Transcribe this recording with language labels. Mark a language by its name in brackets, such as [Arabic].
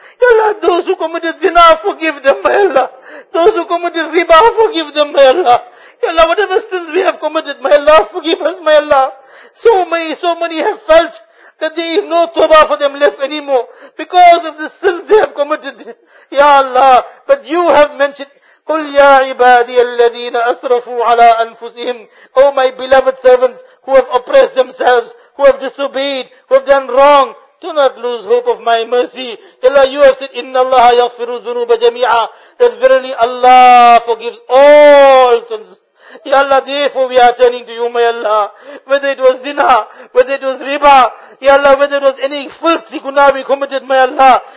[English] Ya Allah, those who committed zina, forgive them, my Allah. Those who committed riba, forgive them, my Allah. Ya Allah, whatever sins we have committed, my Allah, forgive us, my Allah. So many have felt that there is no tawbah for them left anymore because of the sins they have committed. Ya Allah, but you have mentioned, [Arabic] قُلْ يَا عِبَادِيَ الَّذِينَ أَسْرَفُوا عَلَىٰ أَنفُسِهِمْ. [English] O my beloved servants who have oppressed themselves, who have disobeyed, who have done wrong, do not lose hope of my mercy. Ya Allah, you have said, [Arabic] إِنَّ اللَّهَ يَغْفِرُ ذُنُوبَ جَمِيعًا. [English] That verily Allah forgives all sins. Ya Allah, therefore we are turning to you, my Allah. Whether it was zina, whether it was riba, ya Allah, whether it was any filthy guna we committed, my Allah.